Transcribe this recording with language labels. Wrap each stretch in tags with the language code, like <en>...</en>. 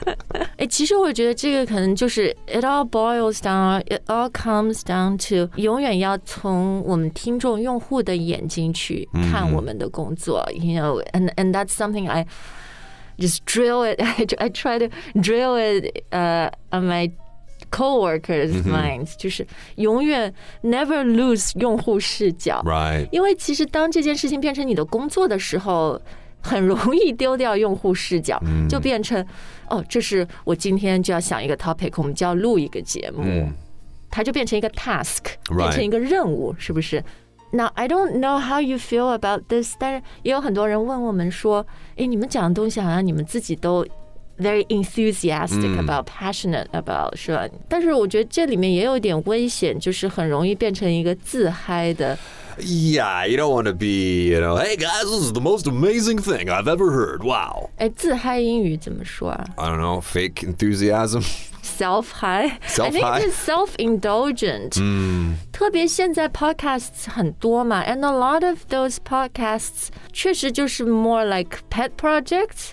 <zh>、欸、其实我觉得这个可能就是</zh> <en>it all boils down, it all comes down to</en> <zh>永远要从我们听众用户的眼睛去看我们的工作、mm-hmm.</zh> <en>you know, and that's something I just drill it, I try to drill it、on my co-workers' minds,、mm-hmm.</en> <zh>就是永远</zh> <en>never lose</en> <zh>用户视角。</zh> <en>Right.</en> <zh>因为其实当这件事情变成你的工作的时候，很容易丢掉用户视角、 mm. 就变成哦，这是我今天就要想一个 topic, 我们就要录一个节目、 mm. 它就变成一个 task、</zh> <en>right.</en> <zh>变成一个任务，是不是？</zh> <en>Now, I don't know how you feel about this,</en> <zh>但是也有很多人问我们说，诶，你们讲的东西好像你们自己都</zh> <en>very enthusiastic about,、</en> <zh>mm.</zh> <en>passionate about,</en> <zh>是吧？但是我觉得这里面也有点危险，就是很容易变成一个自嗨的。</zh> <en>Yeah, you don't want to be, you know, hey guys, this is the most amazing thing I've ever heard, wow.</en> <zh>哎，自嗨英语怎么说啊？</zh> <en>I don't know, fake enthusiasm? Self-high? Self-high? I think it's self-indulgent.、 Mm.</en> <zh>特别现在</zh> <en>podcasts</en> <zh>很多嘛</zh> <en>and a lot of those podcasts</en> <zh>确实就是</zh> <en>more like pet projects,、</en>